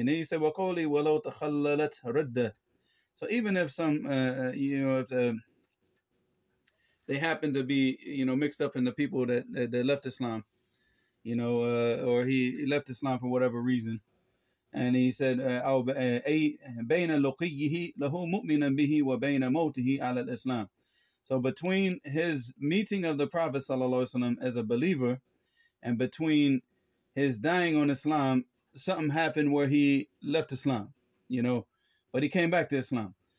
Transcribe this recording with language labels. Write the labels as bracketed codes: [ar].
[en] And then he said, [ar] وَقَوْلِي وَلَوْ تَخَلَّلَتْ رَدَّةٌ. [en] So even if some, they happen to be, you know, mixed up in the people that left Islam, you know, or he left Islam for whatever reason. [ar] And he said, بَيْنَ لُقِيِّهِ لَهُ مُؤْمِنًا بِهِ وَبَيْنَ مَوْتِهِ عَلَى الْإِسْلَامِ. [en] So between his meeting of the Prophet sallallahu alaihi wasallam as a believer and between his dying on Islam, something happened where he left Islam, you know, but he came back to Islam.